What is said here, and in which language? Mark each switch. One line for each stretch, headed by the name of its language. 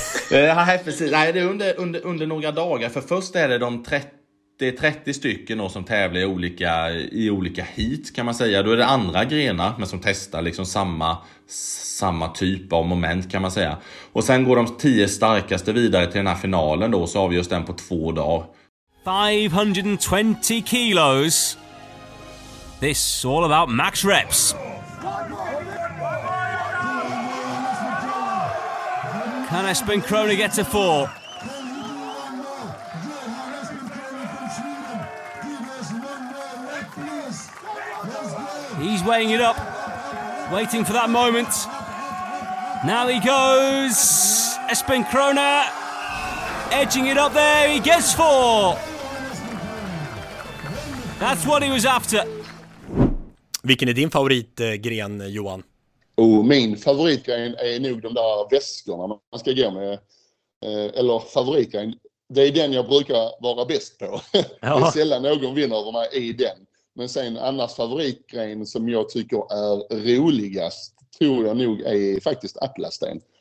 Swedish: Nej, det är under några dagar. För först är det de 30 stycken som tävlar i olika heat kan man säga. Då är det andra grenar men som testar liksom samma typ av moment kan man säga. Och sen går de 10 starkaste vidare till den här finalen då, så avgörs den på 2 dagar.
English: 520 kilos. This is all about max reps. Can Espen Crowley get to 4? He's weighing it up, waiting for that moment. Now he goes, Espen Crowley, edging it up there, he gets 4. That's what he was after.
Swedish: Vilken är din favoritgren, Johan? Oh, min favoritgren är nog de där väskorna man ska gå med. Eller favoritgren, det är den jag brukar vara bäst på. Ja. Det är sällan någon vinner över mig i den. Men sen annars favoritgren som jag tycker är roligast tror jag nog är faktiskt atlassten.